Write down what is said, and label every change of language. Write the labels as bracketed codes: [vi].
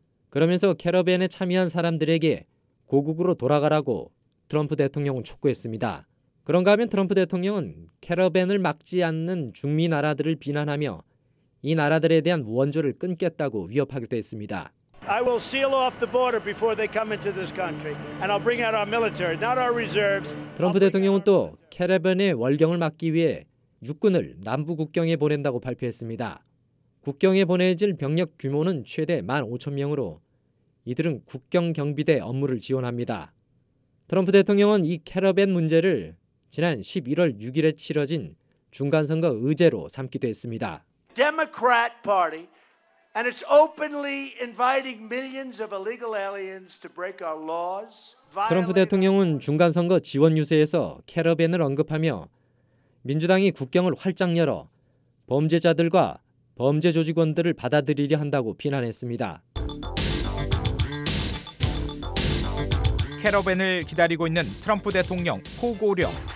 [ko] 그러면서 캐러밴에 참여한 사람들에게 고국으로 돌아가라고 트럼프 대통령은 촉구했습니다. 그런가 하면 트럼프 대통령은 캐러밴을 막지 않는 중미 나라들을 비난하며 이 나라들에 대한 원조를 끊겠다고 위협하기도 했습니다. [en] I will seal off the border before they come into this country and I'll bring out our military, not our reserves. [ko] 트럼프 대통령은 또 캐러밴의 월경을 막기 위해 육군을 남부 국경에 보낸다고 발표했습니다. 국경에 보내질 병력 규모는 최대 15,000명으로 이들은 국경 경비대 업무를 지원합니다. 트럼프 대통령은 이 캐러밴 문제를 지난 11월 6일에 치러진 중간선거 의제로 삼기도 했습니다. [en] Democrat Party and it's openly inviting millions of illegal aliens to break our laws. [ko] 트럼프 대통령은 중간선거 지원 유세에서 캐러밴을 언급하며 민주당이 국경을 활짝 열어 범죄자들과 범죄 조직원들을 받아들이려 한다고 비난했습니다. 캐러밴을 기다리고 있는 트럼프 대통령 포고령.